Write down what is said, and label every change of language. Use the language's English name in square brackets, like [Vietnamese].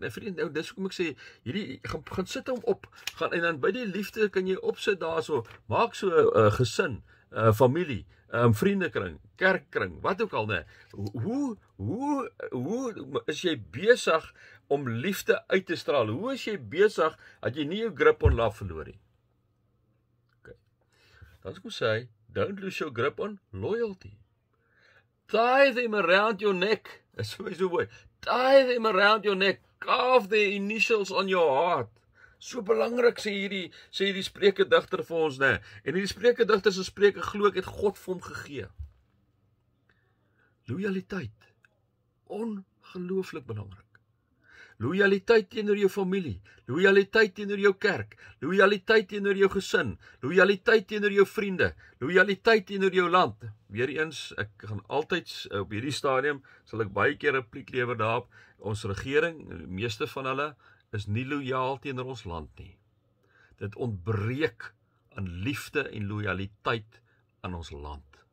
[Afrikaans] Nou vriend, nou dis hoekom ek sê, hierdie, gaan sit hom op, gaan, en dan by die liefde kan jy opsit daar so, maak so gesin, familie, vriendekring, kerkkring, wat ook al, nee. Hoe is jy besig om liefde uit te straal? Hoe is jy besig dat jy nie jou [English] grip on love [Afrikaans] verloor nie? Okay. Dan sê, [English] don't lose your grip on loyalty. Tie them around your neck, [Afrikaans] is so mooi, [English] tie them around your neck, carve the initials on your heart, [Afrikaans] so belangrik, sê hierdie spreekedigter vir ons, ne. En die spreekedigter se spreke, glo ek het God vir hom gegee, loyaliteit, ongelooflik belangrik, Loyaliteit teenoor jou familie, loyaliteit teenoor jou kerk, loyaliteit teenoor jou gesin, loyaliteit teenoor jou vriende, loyaliteit teenoor jou land. Weereens, ek gaan altyd op hierdie stadium sal ek baie keer repliek lewer daarop, ons regering, die meeste van hulle is nie loyaal teenoor ons land nie. Dit ontbreek aan liefde en loyaliteit aan ons land.